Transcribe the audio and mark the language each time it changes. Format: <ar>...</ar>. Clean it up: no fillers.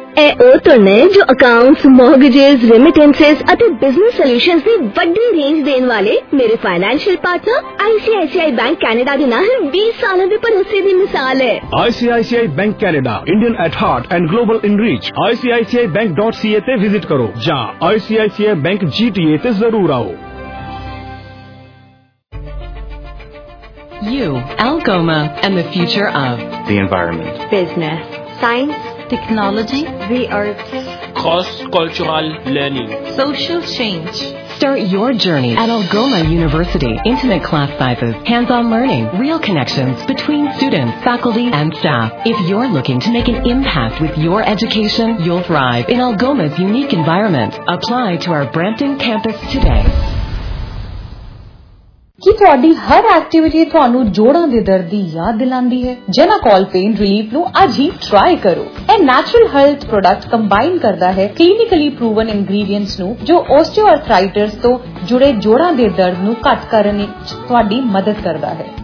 <pa>ਇਹ ਉਹ ਤੁਹਾਨੂੰ ਜੋ ਅਕਾਊਂਟਸ, ਮੋਰਗੇਜਸ, ਰੇਮਿਟੈਂਸਿਸ ਅਤੇ ਬਿਜ਼ਨਸ ਸੋਲੂਸ਼ਨਸ ਦੀ ਵੱਡੀ ਰੇਂਜ ਦੇਣ ਵਾਲੇ ਮੇਰੇ financial partner ICICI bank Canada ਦੇ ਨਾਲ 20 ਸਾਲਾਂ ਦੇ ਭਰੋਸੇ ਦੀ ਮਿਸਾਲ ਹੈ।</pa> <en>ICICI bank Canada, Indian at heart and global in reach.</en> <pa>ICICI bank.ca ਤੇ ਵਿਜ਼ਿਟ ਕਰੋ ਜਾਂ ICICI ਬੈਂਕ GTA ਤੇ ਜ਼ਰੂਰ ਆਓ।</pa> <en>You, Algoma, and the future of the environment, business, science, technology, the arts, cross-cultural learning, social change. Start your journey at Algoma University. Intimate class sizes, hands-on learning, real connections between students, faculty, and staff. If you're looking to make an impact with your education, you'll thrive in Algoma's unique environment. Apply to our Brampton campus today.</en> <pa>ਕੀ ਤੁਹਾਡੀ ਹਰ activity ਤੁਹਾਨੂੰ ਜੋੜਾਂ ਦੇ ਦਰਦ ਦੀ ਯਾਦ ਦਿਲਾਂਦੀ ਹੈ? ਜੇਨਾਕੋਲ pain relief ਨੂੰ ਅੱਜ ਹੀ try ਕਰੋ। ਇਹ ਨੈਚੁਰਲ ਹੈਲਥ ਪ੍ਰੋਡਕਟ ਕੰਬਾਈਨ ਕਰਦਾ ਹੈ ਕਲੀਨਿਕਲੀ ਪ੍ਰੂਵਨ ਇਨਗਰੀਡੀਐਂਟਸ ਨੂੰ, ਜੋ ਓਸਟੀਓਆਰਥਰਾਈਟਿਸ ਤੋਂ ਜੁੜੇ ਜੋੜਾਂ ਦੇ ਦਰਦ ਨੂੰ ਘੱਟ ਕਰਨ ਵਿੱਚ ਤੁਹਾਡੀ ਮਦਦ ਕਰਦਾ ਹੈ।</pa>